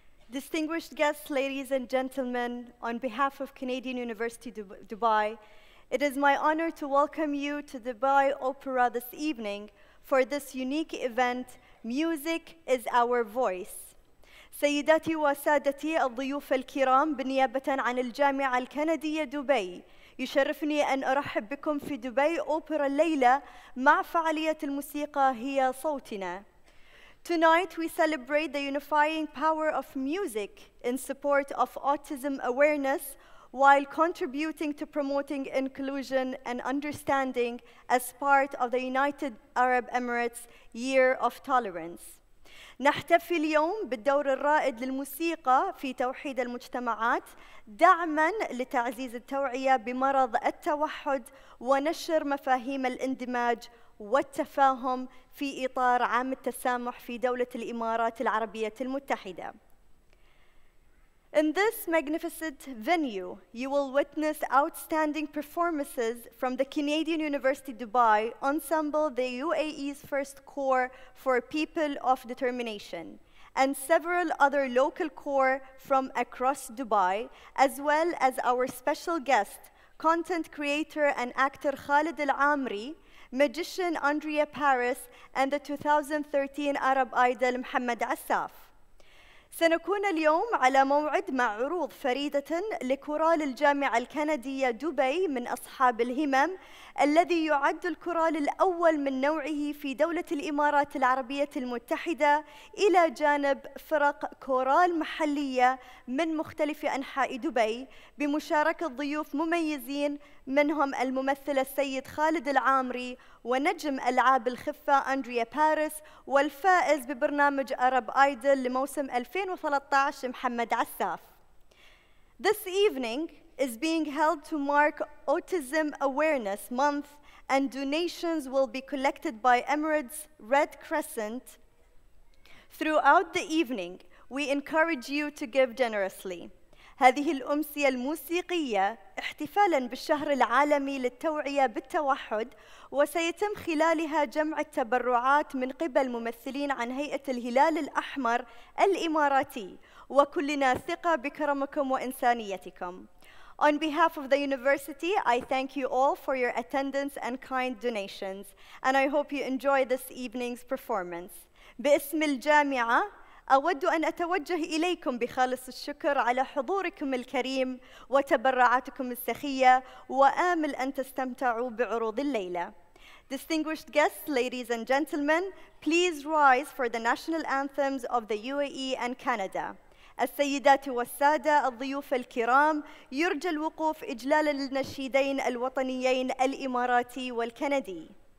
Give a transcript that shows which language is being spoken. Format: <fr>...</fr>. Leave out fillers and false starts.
<en>Distinguished guests, ladies and gentlemen, on behalf of Canadian University Dubai, it is my honor to welcome you to Dubai Opera this evening for this unique event, Music is Our Voice.</en> <ar>سيداتي وسادتي الضيوف الكرام بالنيابة عن الجامعة الكندية دبي يشرفني أن أرحب بكم في دبي أوبرا الليلة مع فعالية الموسيقى هي صوتنا.</ar> <en>Tonight we celebrate the unifying power of music in support of autism awareness while contributing to promoting inclusion and understanding as part of the United Arab Emirates Year of Tolerance.</en> <ar>نحتفي اليوم بالدور الرائد للموسيقى في توحيد المجتمعات دعماً لتعزيز التوعية بمرض التوحد ونشر مفاهيم الاندماج والتفاهم في إطار عام التسامح في دولة الإمارات العربية المتحدة.</ar> <en>In this magnificent venue, you will witness outstanding performances from the Canadian University Dubai Ensemble, the UAE's first core for people of determination, and several other local core from across Dubai, as well as our special guest, content creator and actor Khalid Al-Amri, magician Andrea Paris, and the 2013 Arab Idol Mohammed Assaf.</en> <ar>سنكون اليوم على موعد مع عروض فريدة لكورال الجامعة الكندية دبي من أصحاب الهمم الذي يعد الكورال الأول من نوعه في دولة الإمارات العربية المتحدة إلى جانب فرق كورال محلية من مختلف أنحاء دبي بمشاركة ضيوف مميزين منهم الممثل السيد خالد العامري ونجم ألعاب الخفة أندريا باريس والفائز ببرنامج أرب آيدل لموسم 2013 محمد عساف.</ar> <en>This evening is being held to mark Autism Awareness Month and donations will be collected by Emirates Red Crescent. Throughout the evening, we encourage you to give generously.</en> <ar>هذه الأمسية الموسيقية احتفالاً بالشهر العالمي للتوعية بالتوحد وسيتم خلالها جمع التبرعات من قبل ممثلين عن هيئة الهلال الأحمر الإماراتي وكلنا ثقة بكرمكم وإنسانيتكم.</ar> <en>On behalf of the university, I thank you all for your attendance and kind donations and I hope you enjoy this evening's performance.</en> <ar>باسم الجامعة أود أن أتوجه إليكم بخالص الشكر على حضوركم الكريم وتبرعاتكم السخية وآمل أن تستمتعوا بعروض الليلة.</ar> <en>Distinguished guests, ladies and gentlemen, please rise for the national anthems of the UAE and Canada.</en> <ar>السيدات والسادة الضيوف الكرام يرجى الوقوف إجلالا للنشيدين الوطنيين الإماراتي والكندي.</ar>